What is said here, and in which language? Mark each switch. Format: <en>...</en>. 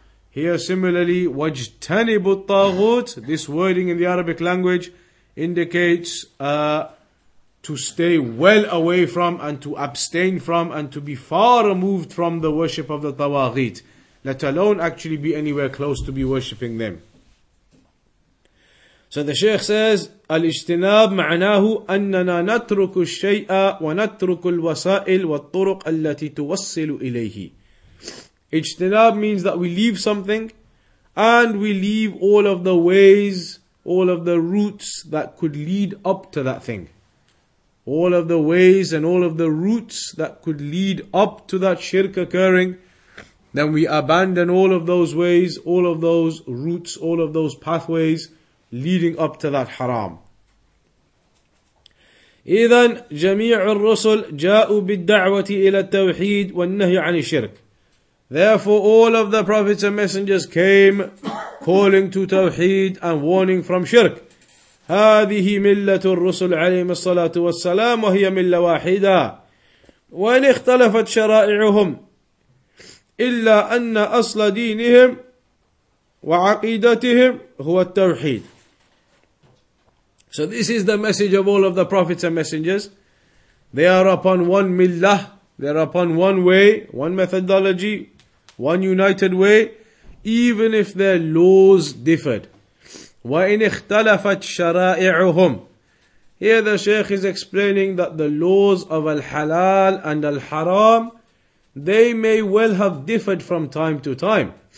<en>Here similarly,</en> <ar>وَاجْتَنِبُ الطَّاغُوتِ,</ar> <en>this wording in the Arabic language indicates to stay well away from and to abstain from and to be far removed from the worship of the tawaghit, let alone actually be anywhere close to be worshipping them. So the Shaykh says,</en> <ar>الاجتناب معناه أننا نترك الشيء ونترك الوسائل والطرق التي توصل إليه.</ar> <en>Ijtinab means that we leave something and we leave all of the ways, all of the routes that could lead up to that thing. All of the ways and all of the routes that could lead up to that shirk occurring. Then we abandon all of those ways, all of those routes, all of those pathways leading up to that haram.</en> <ar>إذن جميع الرسل جاءوا بالدعوة إلى التوحيد والنهي عن الشرك.</ar> <en>Therefore all of the prophets and messengers came calling to Tawheed and warning from shirk.</en> <ar>هذه ملة الرسل عليهم الصلاة والسلام وهي ملة واحدة. وإن اختلفت شرائعهم إلا أن أصل دينهم وعقيدتهم هو التوحيد.</ar> <en>So this is the message of all of the prophets and messengers. They are upon one millah, they are upon one way, one methodology, one united way, even if their laws differed.</en> <ar>وَإِنِ اخْتَلَفَتْ شَرَائِعُهُمْ</ar> <en>Here the Shaykh is explaining that the laws of al-halal and al-haram, they may well have differed from time to time.</en>